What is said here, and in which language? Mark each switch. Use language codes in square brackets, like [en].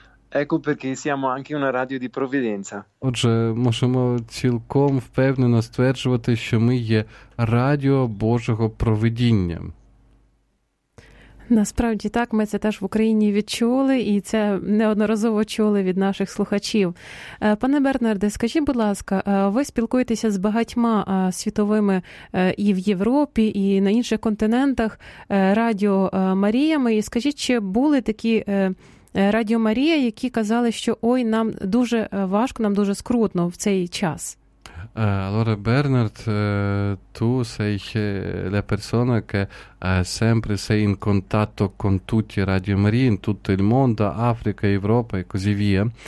[it] Ecco perché siamo anche una radio di provvidenza. [uk] Отже, можемо цілком впевнено стверджувати, що ми є радіо Божого провидіння. Насправді так, ми це теж в Україні відчули, і це неодноразово чули від наших слухачів. Пане Бернарде, скажіть, будь ласка, ви спілкуєтеся з багатьма світовими і в Європі, і на інших континентах радіо Маріями, і скажіть, чи були такі радіо Марія, які казали, що ой, нам дуже важко, нам дуже скрутно в цей час? [it] Allora Bernard, tu sei la persona che sempre sei in contatto con tutti i Radio Maria in tutto il mondo, Africa, Europa e così via.